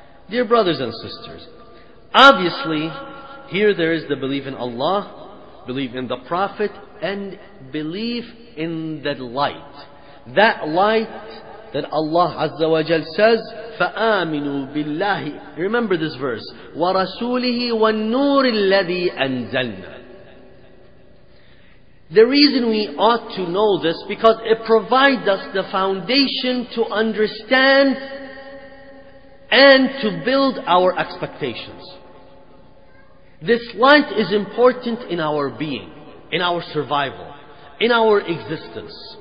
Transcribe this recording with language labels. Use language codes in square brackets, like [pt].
[en] Dear brothers and sisters, obviously, here there is the belief in Allah, belief in the Prophet, and belief in the light. That light that Allah Azza wa Jal says, [ar] فَآمِنُوا بِاللَّهِ. [en] Remember this verse, [ar] وَرَسُولِهِ وَالنُّورِ الَّذِي أَنزَلْنَا. [en] The reason we ought to know this, because it provides us the foundation to understand and to build our expectations. This light is important in our being, in our survival, in our existence.